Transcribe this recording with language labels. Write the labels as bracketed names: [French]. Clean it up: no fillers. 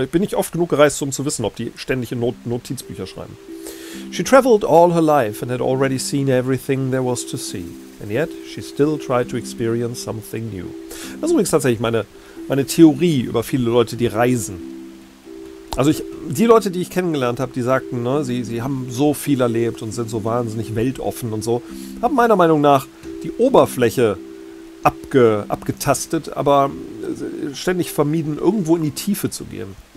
[German] Bin ich oft genug gereist, um zu wissen, ob die ständig in Notizbücher schreiben. [English] She traveled all her life and had already seen everything there was to see. And yet, she still tried to experience something new. [German] Das ist übrigens tatsächlich meine Theorie über viele Leute, die reisen. Also die Leute, die ich kennengelernt habe, die sagten, ne, sie haben so viel erlebt und sind so wahnsinnig weltoffen und so, haben meiner Meinung nach die Oberfläche abgetastet, aber ständig vermieden, irgendwo in die Tiefe zu gehen.